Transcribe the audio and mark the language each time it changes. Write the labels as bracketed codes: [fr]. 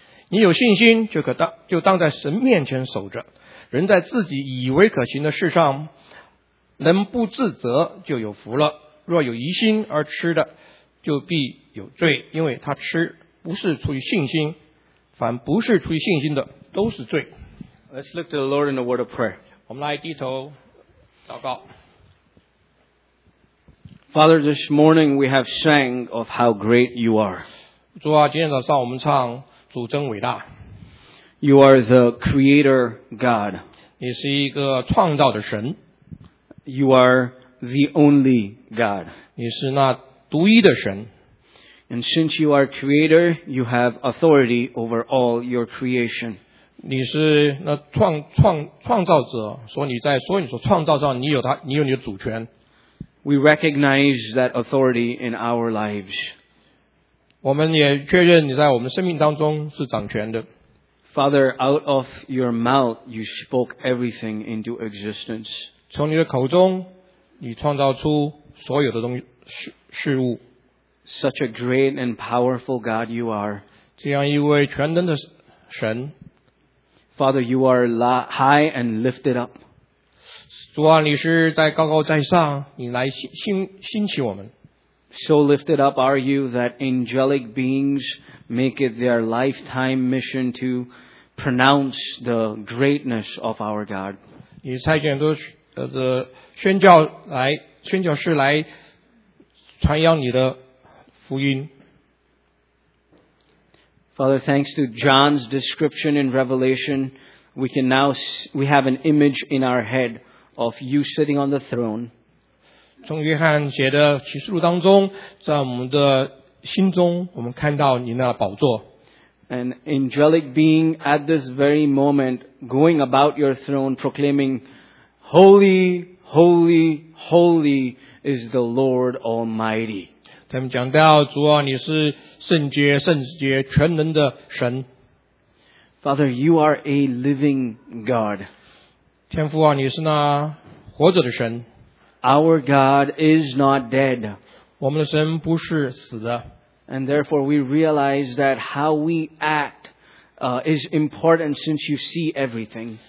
[zh] 你有信心就当在神面前守着，人在自己以为可行的事上能不自责就有福了。若有疑心而吃的，就必有罪，因为他吃不是出于信心，反不是出于信心的都是罪。 [en] Let's look to the Lord in the word of prayer. [zh] 我们来低头祷告。 [en] Father, this morning we have sang of how great you are. [zh] 主啊，今天早上我们唱主真伟大。 [en] You are the creator God. [zh] 你是一个创造的神。 [en] You are the only God. [zh] 你是那独一的神。 [en] And since you are creator, you have authority over all your creation. [zh] 你是那 创造者，所以你在所有你所创造上，你有他，你有你的主权。 [en] We recognize that authority in our lives. [zh] 我们也确认你在我们生命当中是掌权的。 [en] Father, out of your mouth you spoke everything into existence. [zh] 从你的口中，你创造出所有的东西事物。 [en] Such a great and powerful God you are. [zh] 这样一位全能的神。 [en] Father, you are high and lifted up. [zh] 主啊，你是在高高在上，你来兴起我们。 [en] So lifted up are you that angelic beings make it their lifetime mission to pronounce the greatness of our God. [zh] 你差遣都的宣教来，宣教士来传扬你的福音。 [en] Father, thanks to John's description in Revelation, we can now we have an image in our head of you sitting on the throne. [zh] 从约翰写的启示录当中，在我们的心中，我们看到你那宝座。 [en] An angelic being at this very moment going about your throne, proclaiming, "Holy, holy, holy is the Lord Almighty." [zh] 他们讲到主啊，你是。圣洁圣洁全能的神。 [en] Father, you are a living God. [zh] 天父啊，你是那活着的神。 [en] Our God is not dead. [zh] 我们的神不是死的。 [en] And therefore we realize that how we act, is important since you see everything.